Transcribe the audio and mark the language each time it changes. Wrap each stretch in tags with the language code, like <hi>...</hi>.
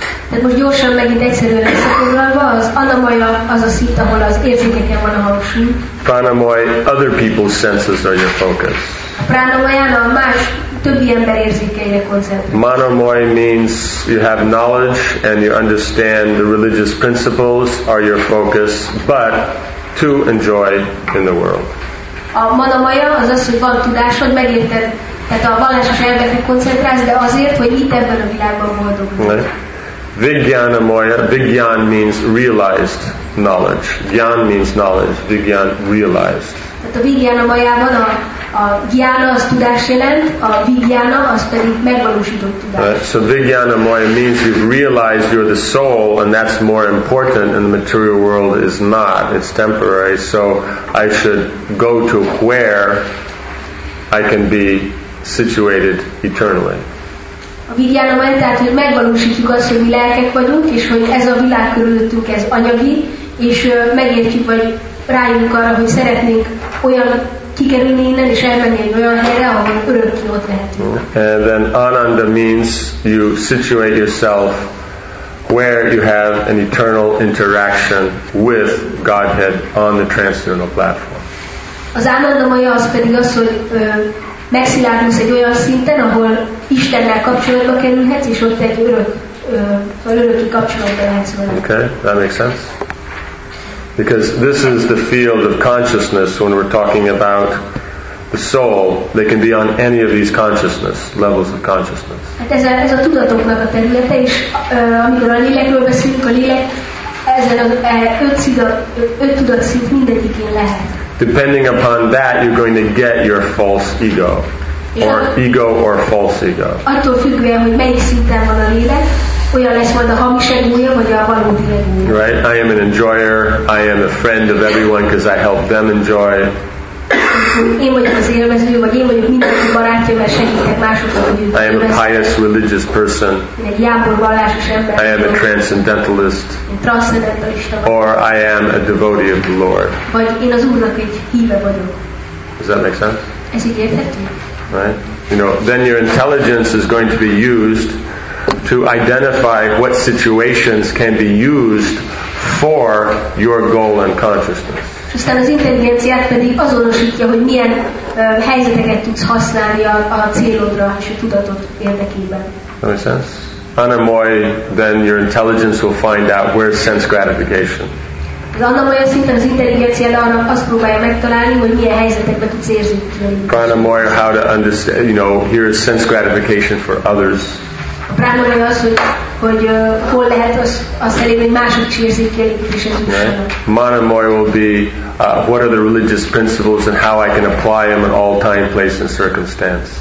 <hu>Tehát most gyorsan megint egyszerűen összefoglalva, az Anamoy az a szint, ahol az érzékeken van a hangsúly.</hu> <en>Pranamoy, other people's senses are your focus.</en> <hu>A Pranamoyán a más, többi ember érzékeire koncentrál.</hu> <en>Manamoy means you have knowledge and you understand the religious principles are your focus, but to enjoy in the world.</en> <hu>A manamaya az az, hogy van tudásod, megérted, tehát a vallásos elvekre koncentrálsz, de azért, hogy itt ebben a világban boldog legyél.</hu> <en>Vigyanamaya, vigyan means realized knowledge. Gyan means knowledge, vigyan realized.</en> <hu>Tehát a vigyanamayában a gyana az tudás jelent, a vigyana az pedig megvalósított tudás.</hu> <en>Right? So vigyanamaya means you've realized you're the soul and that's more important and the material world is not, it's temporary, so I should go to where I can be situated eternally.</en> <hu>A vigyanamaya, tehát hogy megvalósítjuk azt, hogy mi lelkek vagyunk, és hogy ez a világ körülöttünk, ez anyagi, és megértjük, vagy rájönjük arra, hogy szeretnénk olyan kikerülni innen, és elmenni egy olyan helyre, ahol örökké ott lehetünk.</hu> <en>And then ananda means you situate yourself where you have an eternal interaction with Godhead on the transcendental platform.</en> <hu>Az anandamaya az pedig az, hogy megszilárdulsz egy olyan szinten, ahol Istennel kapcsolatba kerülhetsz, és ott egy örökké kapcsolatba lehetsz vele.</hu> <en>Okay, that makes sense. Because this is the field of consciousness when we're talking about the soul. They can be on any of these consciousness, levels of consciousness.</en> <hu>Hát ez a tudatoknak a területe, és amikor a lélekről beszélünk, a lélek ezen az öt tudatszint mindegyikén lehet.</hu> <en>Depending upon that, you're going to get your false ego. Or ego or false ego.</en> <hu>Attól függően, hogy melyik szinten van a lélek, olyan lesz majd a hamis egója, vagy a valódi egója.</hu> <en>Right? I am an enjoyer, I am a friend of everyone because I help them enjoy.</en> <hu>Én vagyok az élvező, vagy én vagyok mindenki barátja, mert segítek másoknak, hogy</hu> <en>I am a pious religious person.</en> <hu>Egy jámbor vallásos ember.</hu> <en>I am a transcendentalist. Or I am a devotee of the Lord.</en> <hu>Vagy én az Úrnak egy híve vagyok.</hu> <en>Does that make sense?</en> <hu>Ez így érthető?</hu> <en>Right? You know, then your intelligence is going to be used to identify what situations can be used for your goal and consciousness.</en> <hu>Aztán az intelligenciát pedig azonosítja, hogy milyen helyzeteket tudsz használni a célodra és a tudatod érdekében.</hu> <en>That makes sense? anamoya, then your intelligence will find out where is sense gratification. Pranamoya, how to understand, you know, here is sense gratification for others. Manamoya will be what are the religious principles and how I can apply them in all time, place and circumstance.</en>